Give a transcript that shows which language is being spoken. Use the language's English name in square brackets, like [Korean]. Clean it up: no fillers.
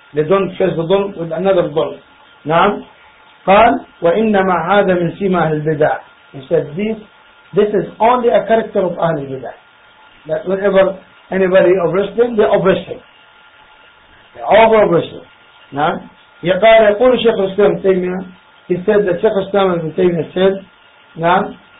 [English] They don't face the dhulm with another dhulm. [Arabic] نعم. قال وإنما هذا من سيما أهل البدع. [English] He said this is only a character of أهل البدع. That whenever anybody oppresses them, they oppress him. They over oppress him. نعم. [Arabic] يقال يقول الشيخ الإسلام تيمية. [English] He said that الشيخ الإسلام ابن تيمية said نعم.